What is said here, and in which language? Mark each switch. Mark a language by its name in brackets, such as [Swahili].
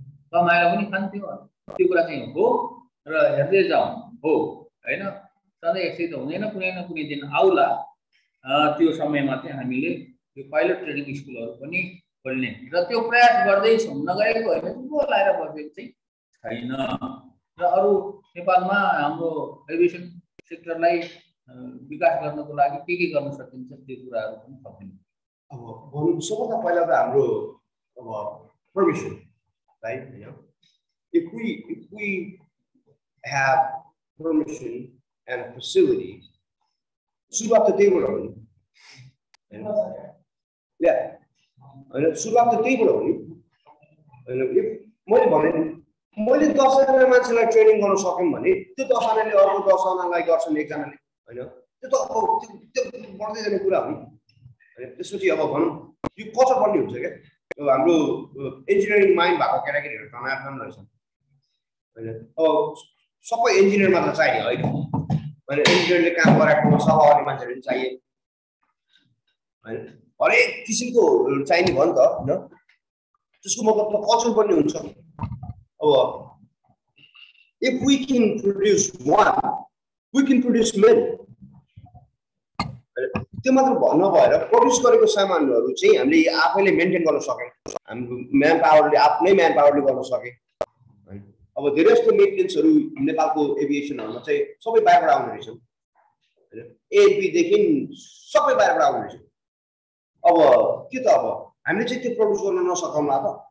[Nepali] कमाएर पनि खान्थ्यो होला त्यो कुरा चाहिँ हो र हेर्दै जाउँ हो होइन सधैँ यसै त हुँदैन कुनै न कुनै दिन आउला त्यो समयमा चाहिँ हामीले त्यो पाइलट ट्रेनिङ स्कुलहरू पनि खोल्ने र त्यो प्रयास गर्दैछौँ नगरेको होइन बोलाएर बसेको चाहिँ छैन र अरू नेपालमा हाम्रो एभिएसन सेक्टरलाई विकास गर्नको लागि के गर्न सकिन्छ त्यो कुराहरू पनि थपिन्छ अब भन्नु सबभन्दा पहिला त हाम्रो अब [English] permission, right? You know, if we have permission and facilities, If we can produce one, we can produce many. [Nepali] त्यो मात्र भन्न भएर प्रोड्युस गरेको सामानहरु चाहिँ हामीले आफैले मेन्टेन गर्न सकें हामी म्यान पावरले आफ्नै म्यान पावरले गर्न सके है अब धेरै जस्तो मेन्टेन्सहरु नेपालको एभिएसनहरुमा चाहिँ सबै बाहिरबाट आउने रहेछ एपी देखि सबै बाहिरबाट आउने रहेछ अब के त अब हामीले चाहिँ त्यो प्रोड्युस गर्न नसकौँला त